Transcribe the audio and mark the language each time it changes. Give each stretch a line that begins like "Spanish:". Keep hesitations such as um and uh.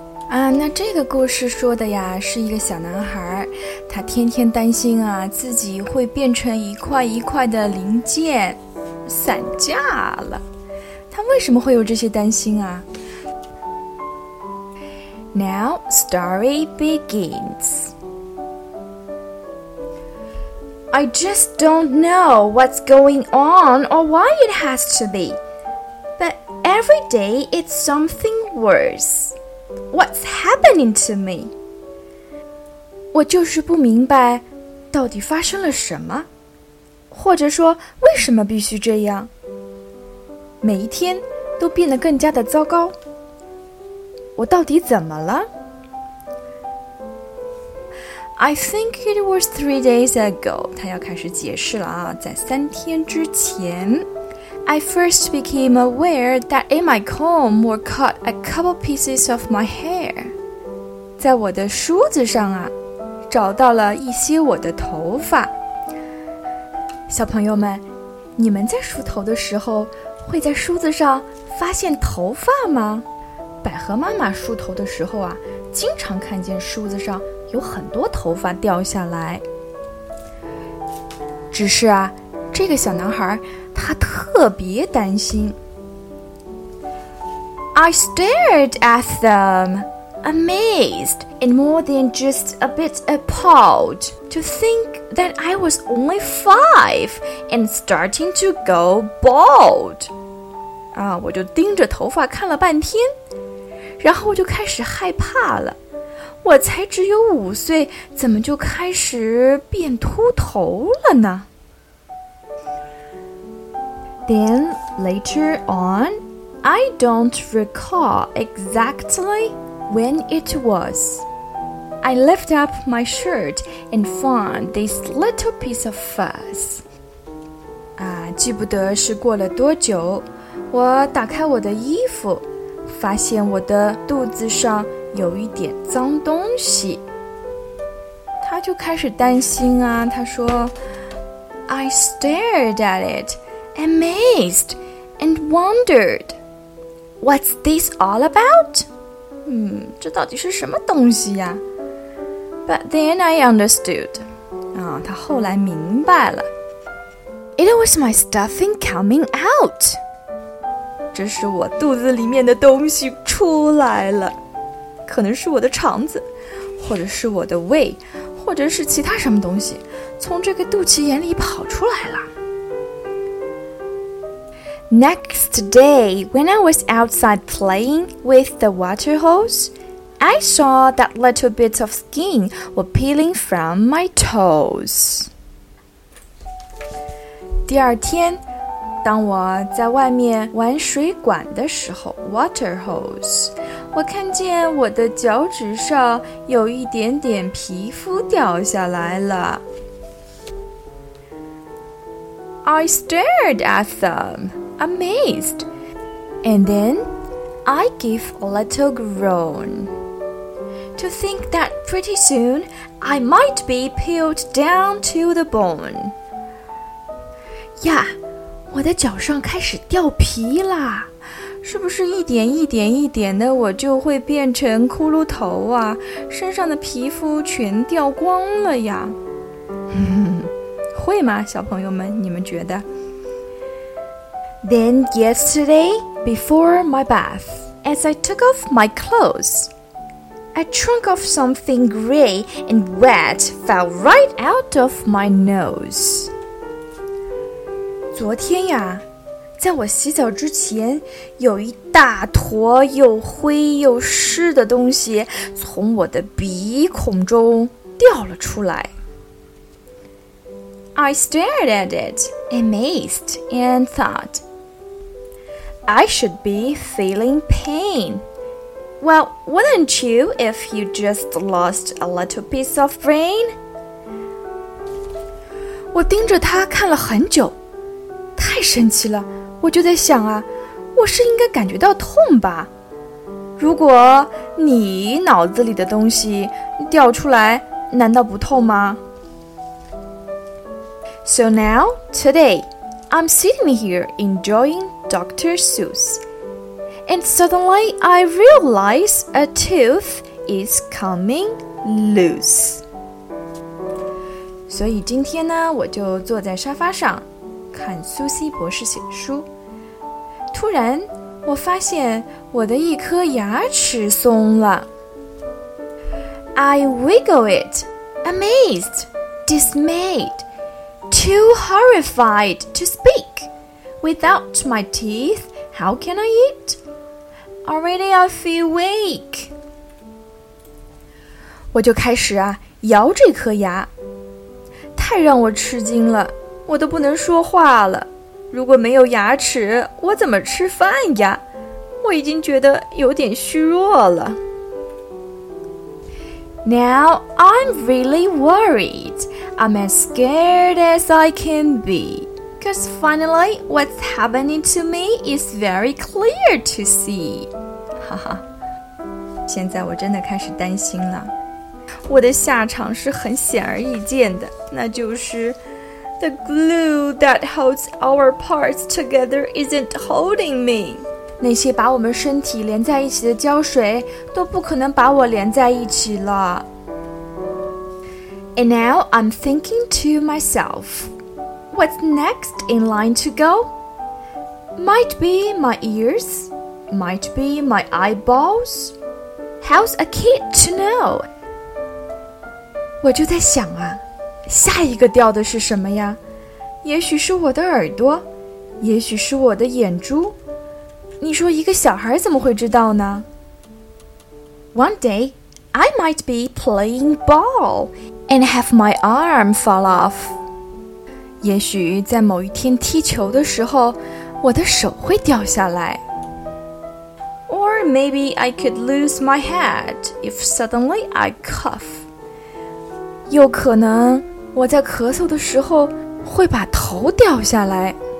Chinese: 啊，那这个故事说的呀，是一个小男孩儿，他天天担心啊，自己会变成一块一块的零件，散架了。他为什么会有这些担心啊？
English: Now story begins. I just don't know what's going on or why it has to be. But every day it's something worse. What's happening to me?
Chinese: 我就是不明白，到底发生了什么，或者说为什么必须这样。每一天都变得更加的糟糕。我到底怎么了？
English: I think it was three days ago.
Chinese: 他要开始解释了啊，在三天之前。
English: I first became aware that in my comb were caught a couple pieces of my hair.
Chinese: 在我的梳子上啊，找到了一些我的头发。小朋友们，你们在梳头的时候，会在梳子上发现头发吗？百合妈妈梳头的时候啊，经常看见梳子上有很多头发掉下来。只是啊，这个小男孩他特别担心。
English: I stared at them, amazed and more than just a bit appalled to think that I was only five and starting to go bald.
Chinese: 啊，我就盯着头发看了半天，然后我就开始害怕了。我才只有五岁，怎么就开始变秃头了呢？
English: Then later on, I don't recall exactly when it was. I lift up my shirt and found this little piece of fuzz.
Chinese: 啊，记不得是过了多久，我打开我的衣服，发现我的肚子上。有一点脏东西，他就开始担心啊。他说：“
English: I stared at it, amazed, and wondered, what's this all about？”
Chinese: 嗯，这到底是什么东西呀？
English: But then I understood.
Chinese: 啊，他后来明白了。
English: It was my stuffing coming out.
Chinese: 这是我肚子里面的东西出来了。可能是我的肠子，或者是我的胃，或者是其他什么东西，从这个肚脐眼里跑出来了。
English: Next day, when I was outside playing with the water hose, I saw that little bits of skin were peeling from my toes.
Chinese: 第二天，当我在外面玩水管的时候，water hose。我看见我的脚趾上有一点点皮肤掉下来了。
English: I stared at them, amazed, and then I gave a little groan. To think that pretty soon I might be peeled down to the bone.
Chinese: 呀，我的脚上开始掉皮啦！是不是一点一点一点的，我就会变成骷髅头啊？身上的皮肤全掉光了呀！会吗，小朋友们？你们觉得
English: ？Then yesterday, before my bath, as I took off my clothes, a chunk of something gray and wet fell right out of my nose.
Chinese: 昨天呀。在我洗澡之前，有一大坨又灰又湿的东西从我的鼻孔中掉了出来。
English: I stared at it, amazed, and thought, I should be feeling pain. Well, wouldn't you if you just lost a little piece of brain?
Chinese: 我盯着他看了很久，太神奇了！我就在想啊，我是应该感觉到痛吧？如果你脑子里的东西掉出来，难道不痛吗？
English: So now today, I'm sitting here enjoying Dr. Seuss, and suddenly I realize a tooth is coming loose.
Chinese: 所以今天呢，我就坐在沙发上看苏西博士写书。突然，我发现我的一颗牙齿松了。
English: I wiggle it, amazed, dismayed, too horrified to speak. Without my teeth, how can I eat? Already I feel weak.
Chinese: 我就开始啊摇这颗牙，太让我吃惊了，我都不能说话了。如果没有牙齿，我怎么吃饭呀？我已经觉得有点虚弱了。
English: Now I'm really worried. I'm as scared as I can be. Because finally, what's happening to me is very clear to see.
Chinese: 哈哈，现在我真的开始担心了。我的下场是很显而易见的，那就是
English: The glue that holds our parts together isn't holding me。
Chinese: 那些把我们身体连在一起的胶水都不可能把我连在一起了。
English: And now I'm thinking to myself, what's next in line to go? Might be my ears, might be my eyeballs. How's a kid to know?
Chinese: 我就在想啊，下一个掉的是什么呀？也许是我的耳朵，也许是我的眼珠。你说一个小孩怎么会知道呢
English: ？One day, I might be playing ball and have my arm fall off.
Chinese: 也许在某一天踢球的时候，我的手会掉下来。
English: Or maybe I could lose my head if suddenly I cough.
Chinese: 又可能我在咳嗽的时候会把头掉下来。